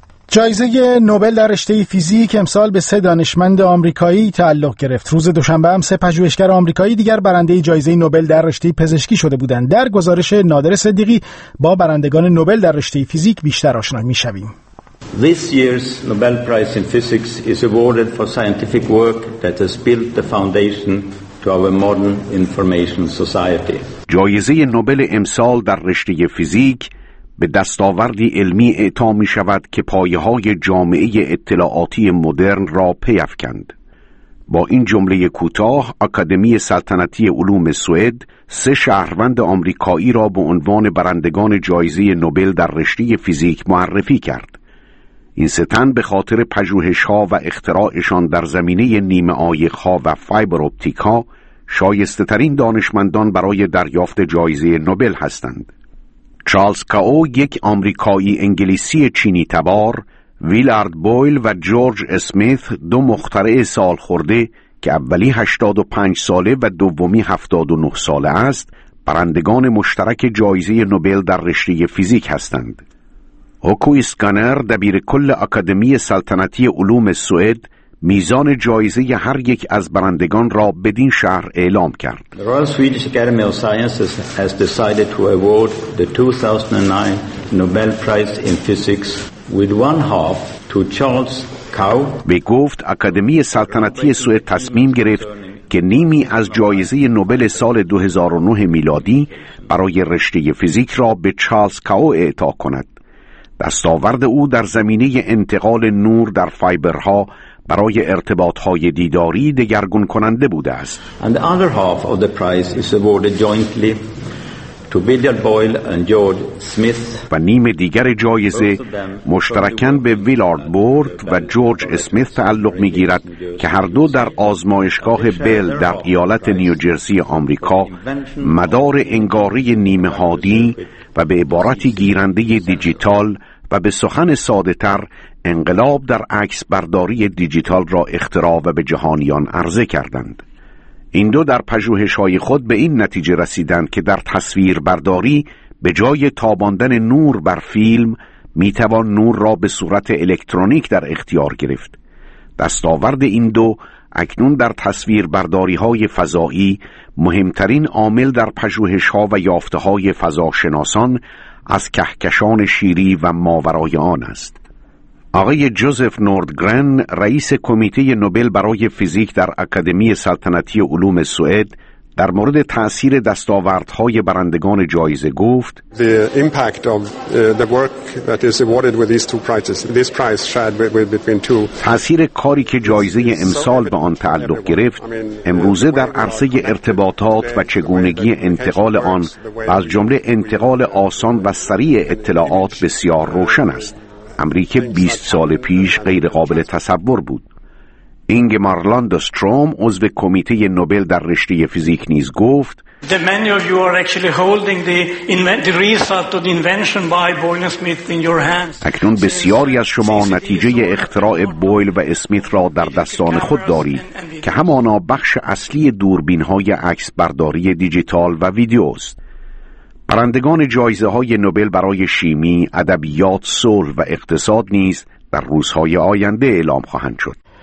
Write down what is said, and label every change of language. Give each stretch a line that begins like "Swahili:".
Persian: جایزه نوبل در رشته فیزیک امسال به 3 دانشمند آمریکایی تعلق گرفت. روز دوشنبه هم 3 پژوهشگر آمریکایی دیگر برنده جایزه نوبل در رشته پزشکی شده بودند. در گزارش نادر صدیقی با برندگان نوبل در رشته فیزیک بیشتر آشنا میشویم.
English: This year's Nobel Prize in Physics is awarded for scientific work that has built the foundation to our modern information society.
Persian: جایزه نوبل امسال در رشته فیزیک به دستاوردی علمی اعطا می شود که پایه‌های جامعه اطلاعاتی مدرن را پیافکند. با این جمله کوتاه، آکادمی سلطنتی علوم سوئد 3 شهروند آمریکایی را به عنوان برندگان جایزه نوبل در رشته فیزیک معرفی کرد. این 3 تن به خاطر پژوهش‌ها و اختراعشان در زمینه نیمه عایق‌ها و فایبر اپتیک‌ها شایسته‌ترین دانشمندان برای دریافت جایزه نوبل هستند. چارلز کاو، یک آمریکایی انگلیسی چینی تبار، ویلارد بویل و جورج اسمیث، 2 مخترع سال خورده که اولی 85 ساله و دومی 79 ساله است، برندگان مشترک جایزه نوبل در رشته فیزیک هستند. هوکوی اسکانر، دبیر کل آکادمی سلطنتی علوم سوئد، میزان جایزه هر یک از برندگان را بدین شهر اعلام کرد.
English: The Royal Swedish Academy of Sciences has decided to award the 2009 Nobel Prize in Physics with one half to Charles Kao.
Persian: به گفت آکادمی سلطنتی سوئد تصمیم گرفت که نیمی از جایزه نوبل سال 2009 میلادی برای رشته فیزیک را به چارلز کاو اعطا کند. دستاورد او در زمینه انتقال نور در فایبرها برای ارتباط‌های دیداری دگرگون کننده بوده است.
English: And the other half of the prize is awarded jointly to Willard Boyle and George Smith.
Persian: و نیم دیگر جایزه مشترکاً به ویلارد بورد و جورج اسمیت تعلق می‌گیرد که هر دو در آزمایشگاه بیل در ایالت نیوجرسی آمریکا مدار انگاری نیمه هادی و به عبارتی گیرنده دیجیتال و به سخن ساده‌تر انقلاب در عکس برداری دیجیتال را اختراع و به جهانیان عرضه کردند. این دو در پژوهش‌های خود به این نتیجه رسیدند که در تصویر برداری به جای تاباندن نور بر فیلم میتوان نور را به صورت الکترونیک در اختیار گرفت. دستاورد این دو اکنون در تصویر برداری‌های فضایی مهمترین عامل در پژوهش‌ها و یافته‌های فضاشناسان از کهکشان شیری و ماورای آن است. آقای جوزف نوردگرن، رئیس کمیته نوبل برای فیزیک در آکادمی سلطنتی علوم سوئد، در مورد تأثیر دستاوردهای برندگان جایزه گفت:
English: The impact of the work that is awarded with these two prizes, this prize shared between two.
Persian: تأثیر کاری که جایزه امسال به آن تعلق گرفت، امروزه در عرصه ارتباطات و چگونگی انتقال آن و از جمله انتقال آسان و سریع اطلاعات بسیار روشن است. امریکا 20 سال پیش غیر قابل تصور بود. اینگمار لاندستروم عضو کمیته نوبل در رشته فیزیک نیز گفت:
English: The many of you are actually holding the result of the invention by Boyle and Smith in your hands.
Persian: اکنون بسیاری از شما نتیجه اختراع بویل و اسمیت را در دستان خود دارید که همانا بخش اصلی دوربین‌های عکسبرداری دیجیتال و ویدیو است. برندگان جایزه های نوبل برای شیمی، ادبیات، صلح و اقتصاد نیز در روزهای آینده اعلام خواهند شد.